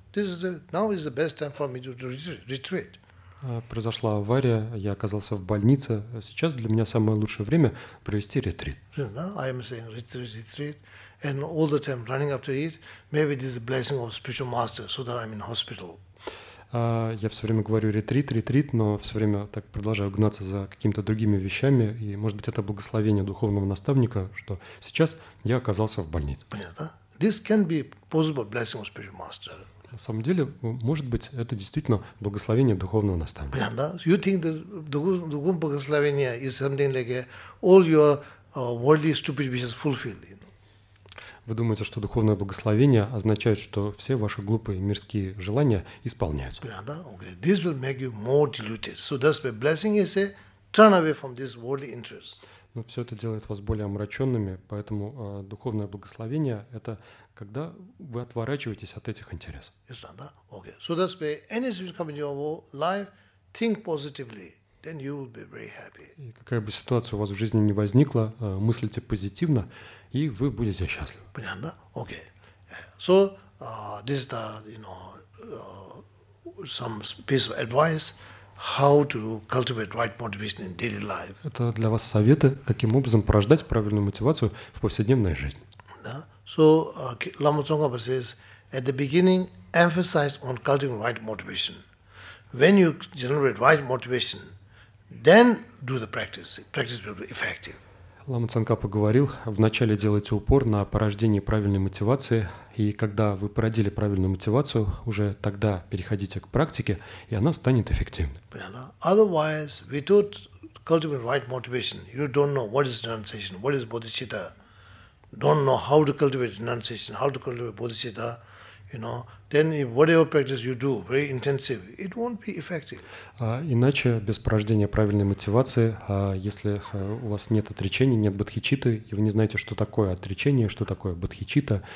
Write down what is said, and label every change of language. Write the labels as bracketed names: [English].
[English] This is the, now is the best time for me to retreat. [Russian] Произошла авария, я оказался в больнице. Сейчас для меня самое лучшее время провести ретрит. [English] Yeah, I am saying retreat, and all the time running after it. Maybe this is a blessing of spiritual master, so that I'm in hospital. [Russian] Я все время говорю ретрит, но все время так продолжаю гнаться за какими-то другими вещами, и, может быть, это благословение духовного наставника, что сейчас я оказался в больнице. Понятно? [English] This can be possible blessing of spiritual master. [Russian] На самом деле, может быть, это действительно благословение духовного наставника. Понятно? Да? [English] You think the [Russian] духовное благословение [English] is something like all your worldly stupid wishes fulfilled? You know? [Russian] Вы думаете, что духовное благословение означает, что все ваши глупые мирские желания исполняются? Но все это делает вас более омраченными, поэтому духовное благословение – это когда вы отворачиваетесь от этих интересов. [English] Yes, okay. So that's why anything coming into your life, think positively. then you will be very happy. [Russian] И какая бы ситуация у вас в жизни не возникла, мыслите позитивно, и вы будете счастливы. Понятно? [English] Okay. So, this is the, you know, some piece of advice how to cultivate right motivation in daily life. [Russian] Это для вас советы, каким образом порождать правильную мотивацию в повседневной жизни. Да. [English] So, Lama Tsongkhapa says, at the beginning, emphasize on cultivating right motivation. When you generate right motivation, then do the practice. Practice will be effective. [Russian] Лама Цанкапа говорил, вначале делайте упор на порождение правильной мотивации, и когда вы породили правильную мотивацию, уже тогда переходите к практике, и она станет эффективной. [English] Otherwise, without cultivating right motivation, you don't know what is renunciation, what is bodhicitta. Don't know how to cultivate renunciation, how to cultivate bodhicitta. You know, then if whatever practice you do, very intensive, it won't be effective. [Russian] Иначе без порождения правильной мотивации, если у вас нет отречения, нет бодхичитты, и вы не знаете, что такое отречение, что такое бодхичитта.